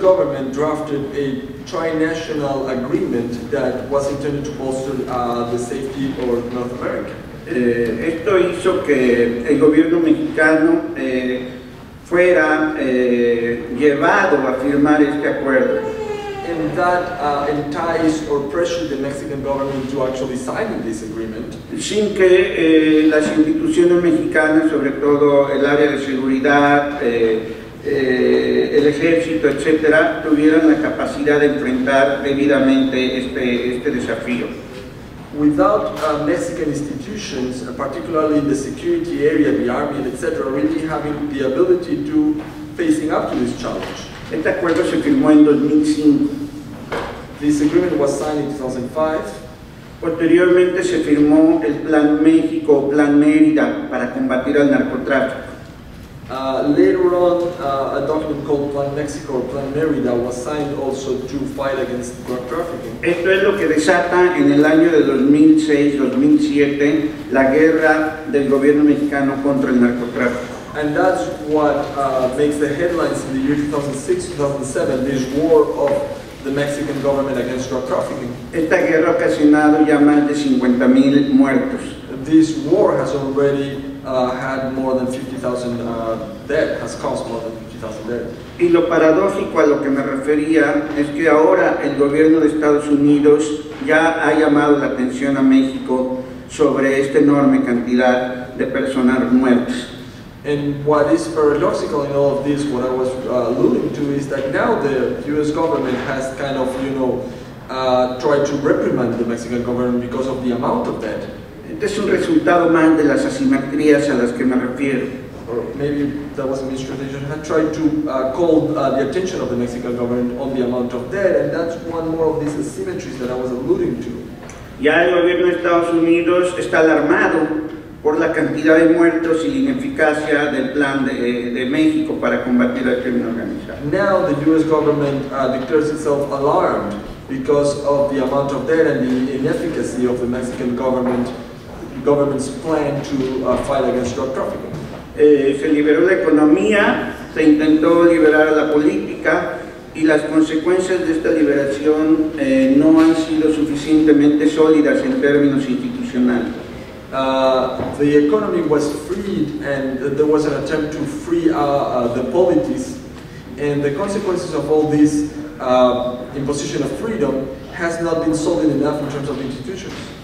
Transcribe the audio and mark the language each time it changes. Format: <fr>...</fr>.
<en>government drafted a trinational agreement that was intended to bolster the safety of North America.</en> <es>Esto hizo que el gobierno mexicano fuera llevado a firmar este acuerdo.</es> <en>And that enticed or pressured the Mexican government to actually sign this agreement.</en> <es>Sin que las instituciones mexicanas, sobre todo el área de seguridad, el ejército, etcétera, tuvieran la capacidad de enfrentar debidamente este desafío.</es> <en>Without Mexican institutions, particularly in the security area, the army, etc., really having the ability to facing up to this challenge.</en> <es>Este acuerdo se firmó en 2005.</es> <en>This agreement was signed in 2005.</en> <es>Posteriormente se firmó el Plan México, Plan Mérida, para combatir el narcotráfico.</es> <en>Later on, a document called Plan Mexico or Plan Mérida was signed also to fight against drug trafficking.</en> <es>Esto es lo que desata en el año de 2006-2007 la guerra del gobierno mexicano contra el narcotráfico.</es> <en>And that's what makes the headlines in the year 2006-2007, this war of the Mexican government against drug trafficking.</en> <es>Esta guerra ha ocasionado ya más de 50,000 muertos.</es> <en>This war has already had more than 50,000 dead, has caused more than 50,000 dead.</en> <es>Y lo paradójico a lo que me refería es que ahora el gobierno de Estados Unidos ya ha llamado la atención a México sobre esta enorme cantidad de personas muertas.</es> <en>And what is paradoxical in all of this, what I was alluding to, is that now the U.S. government has kind of, you know, tried to reprimand the Mexican government because of the amount of debt.</en> <es>Este es un resultado más de las asimetrías a las que me refiero.</es> <en>Or maybe that was a misinterpretation. I tried to call the attention of the Mexican government on the amount of debt, and that's one more of these asymmetries that I was alluding to.</en> <es>Ya el gobierno de Estados Unidos está alarmado por la cantidad de muertos y la ineficacia del plan de México para combatir el crimen organizado.</es> <en>Now the U.S. government declares itself alarmed because of the amount of debt and the inefficacy of the Mexican government's plan to fight against drug trafficking.</en> <es>Se liberó la economía, se intentó liberar la política, y las consecuencias de esta liberación no han sido suficientemente sólidas en términos institucionales.</es> <en>The economy was freed and there was an attempt to free the politics, and the consequences of all this imposition of freedom has not been solid enough in terms of institutions.</en>